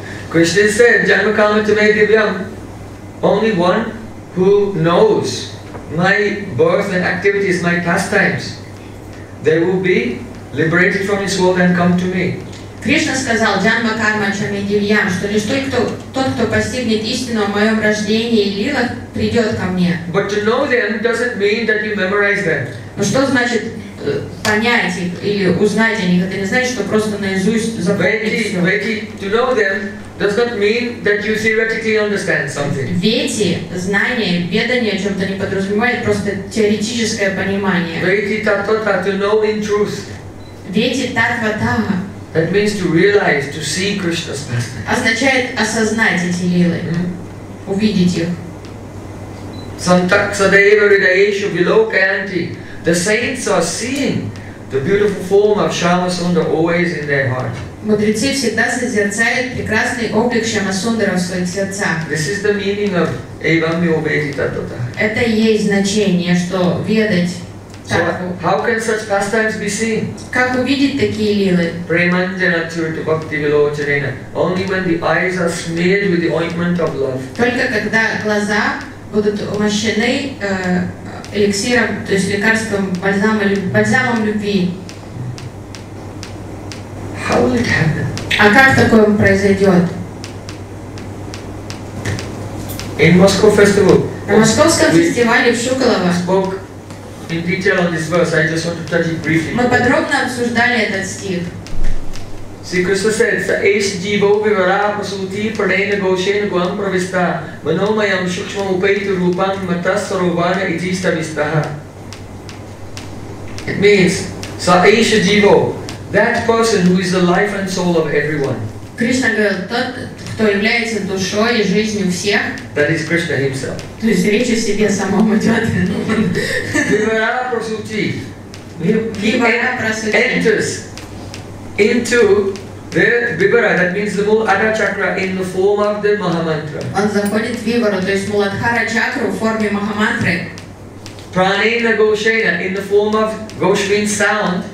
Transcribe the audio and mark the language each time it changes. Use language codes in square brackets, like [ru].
[en] Krishna said, Janmakamatamedivyam, only one who knows my birth and activities, my pastimes, they will be liberated from this world and come to me. [ru] Krishna сказал, Janmakamatamedivyam, что лишь тот, кто постигнет истину о моем рождении и лилах, придет ко мне. [en] But to know them doesn't mean that you memorize them. [ru] Но что значит понять их или узнать о них? Это не значит, что просто наизусть запомнить все. [en] Veti, to know them does not mean that you theoretically understand something. [ru] Veti, знание, ведание о чем-то не подразумевает просто теоретическое понимание. [en] Veti, tattva, to know in truth. [sa] Veti, tattva, tattva. [en] That means to realize, to see Krishna's pastimes. [ru] Означает осознать эти лилы, увидеть их. [sa] Santaksadeva ridayeshu vilokayanti. [en] The saints are seeing the beautiful form of Shyamasundar always in their heart. [ru] Мудрецы всегда созерцают прекрасный облик Шамасундара в своих сердцах. [en] This is the meaning of [sa] evam yo veti tattva. [ru] Это и есть значение, что ведать [en] So, how can such pastimes be seen? [ru] Как увидеть такие лилы? [sa] Преманджана чурту бхакти вилочарена. [en] Only when the eyes are smeared with the ointment of love. [ru] Только когда глаза будут умощены эликсиром, то есть лекарством, бальзамом любви. [en] How will it happen? [ru] А как такое произойдет? [en] In Moscow festival. [ru] На московском фестивале в Шуколово. [en] Spoke in detail on this verse, I just want to touch it briefly. [ru] Мы подробно обсуждали этот стих. [en] See, Krishna says, [sa] Sa'esh jivo vivara pasuti pranena goshena guam pravista manomayam shukshma upaitu rupam matas sarovana ijista vistaha. [en] It means, Sa'esh jivo, that person who is the life and soul of everyone. [ru] Krishna говорит, тот, кто является душой и жизнью всех. [en] That is Krishna himself. [ru] То есть речь о себе самом идет. [sa] Vivara prasuti. [en] He enters into the vibhara, that means the Muladhara chakra, in the form of the Mahamantra. [ru] Он заходит в вибару, то есть Muladhara chakra в форме Mahamantra. [en] Pranena Goshena, in the form of Gosh means sound.